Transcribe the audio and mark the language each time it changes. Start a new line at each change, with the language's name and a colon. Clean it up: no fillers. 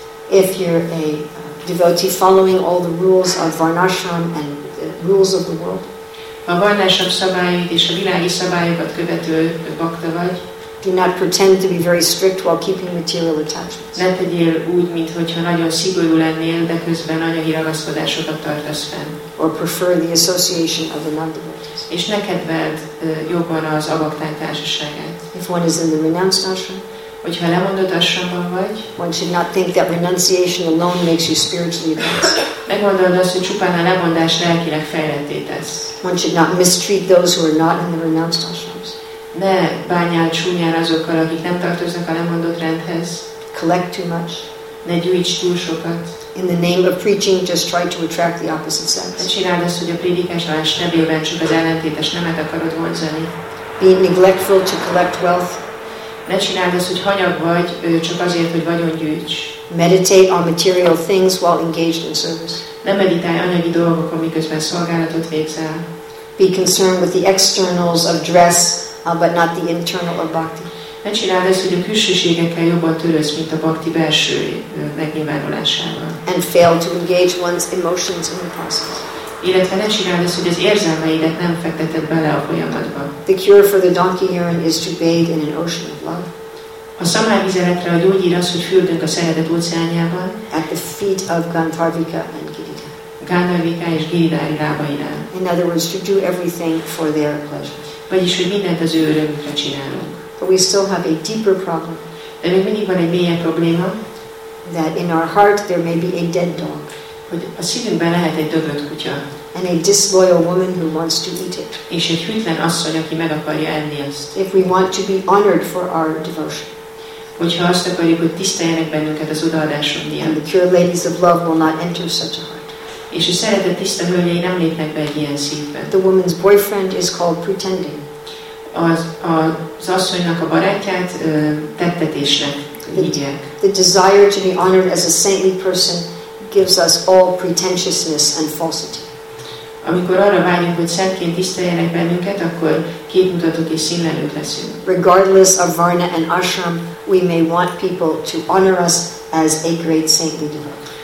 English: If you're a devotee following all the rules of varnashram and the rules of the world.
Hungarian: A varnashram szabályait és a világi szabályokat követő bhakta vagy.
English: Do not pretend to be very strict while keeping material attachments.
Hungarian: Ne tegyél úgy, mintha nagyon szigorú lennél, de közben anyagi ragaszkodásokat tartasz fenn.
English: Or prefer the association of the non-devotees.
Hungarian: És ne kedveld jobban az avakták társaságát.
English: If one is in the renounced ashram,
Hungarian: hogyha lemondott ashramban vagy,
English: one should not think that renunciation alone makes you spiritually advanced.
Hungarian: Ne gondold azt, hogy csupán a lemondás lelkileg fejletté tesz.
English: One should not mistreat those who are not in the renounced ashrams.
Hungarian: Ne bánjál csúnyán azokkal, akik nem tartoznak a lemondott rendhez.
English: Collect too much.
Hungarian: Ne gyűjts túl sokat.
English: In the name of preaching, just try to attract the opposite sex.
Hungarian: Ne csináld azt, hogy a prédikálás nevében csak az ellentétes nemet akarod vonzani.
English: Be neglectful to collect wealth.
Hungarian: Ne csináld azt, hogy hanyag vagy, csak azért, hogy vagyon gyűjts.
English: Meditate on material things while engaged in service.
Hungarian: Ne meditálj anyagi dolgokon, miközben szolgálatot végzel.
English: Be concerned with the externals of dress, but not the internal of bhakti.
Hungarian: Ne csináld azt, hogy a külsőségekkel jobban törődsz, mint a bhakti belső megnyilvánulásával.
English: And fail to engage one's emotions in the process.
Hungarian: Illetve ne csináld azt, hogy az érzelmeidet nem fekteted bele a folyamatba.
English: The cure for the donkey urine is to bathe in an ocean of love.
Hungarian: A szamárvizeletre a gyógyír az, hogy fürdünk a szeretet óceánjában.
English: At the feet of Gandharvika and Giridhar.
Hungarian: Gandharvika és Giridhar lábainál.
English: In other words, to do everything for their pleasure.
Hungarian: Vagyis, hogy mindent az ő örömükre csinálunk.
English: But we still have a deeper problem.
Hungarian: De még mindig van egy mélyebb probléma.
English: That in our heart there may be a dead dog.
Hungarian: Hogy a szívünkben lehet egy dögött kutya.
English: And a disloyal woman who wants to eat it.
Hungarian: És egy hűtlen asszony, aki meg akarja enni azt.
English: If we want to be honored for our devotion.
Hungarian: Hogyha azt akarjuk, hogy tiszteljenek bennünket az odaadásunk miatt.
English: And the pure ladies of love will not enter such a heart.
Hungarian: És a szeretett tiszta hölgyei nem lépnek be egy ilyen szívbe.
English: The woman's boyfriend is called pretending.
Hungarian: Az asszonynak a barátját tettetésnek hívják.
English: The desire to be honored as a saintly person gives us all pretentiousness and falsity.
Hungarian: Amikor arra vágyunk, hogy szentként tiszteljenek bennünket, akkor képmutatók és színlelők leszünk.
English: Regardless of varna and ashram, we may want people to honor us as a great saintly devotee.